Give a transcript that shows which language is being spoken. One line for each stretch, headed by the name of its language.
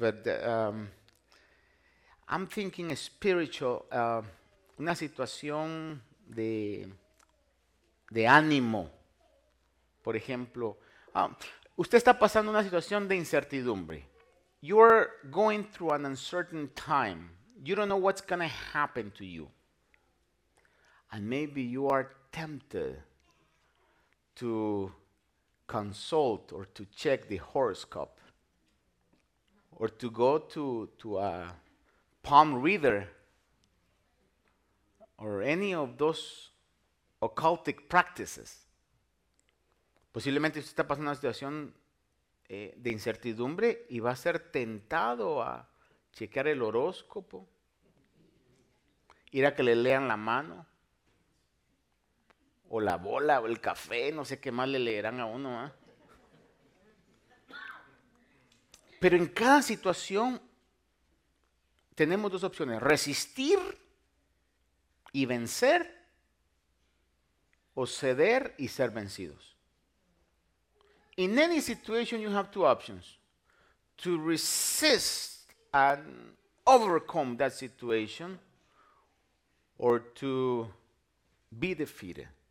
English: But I'm thinking spiritual,
Spanish: una situación de ánimo. Por ejemplo, usted está pasando una situación de incertidumbre.
English: You are going through an uncertain time. You don't know what's going to happen to you. And maybe you are tempted to consult or to check the horoscope or to go to a palm reader or any of those occultic practices.
Spanish: Posiblemente usted está pasando una situación de incertidumbre y va a ser tentado a checar el horóscopo, ir a que le lean la mano. O la bola, o el café, no sé qué más le leerán a uno, ¿eh? Pero en cada situación tenemos dos opciones: resistir y vencer, o ceder y ser vencidos.
English: In any situation, you have two options: to resist and overcome that situation, or to be defeated.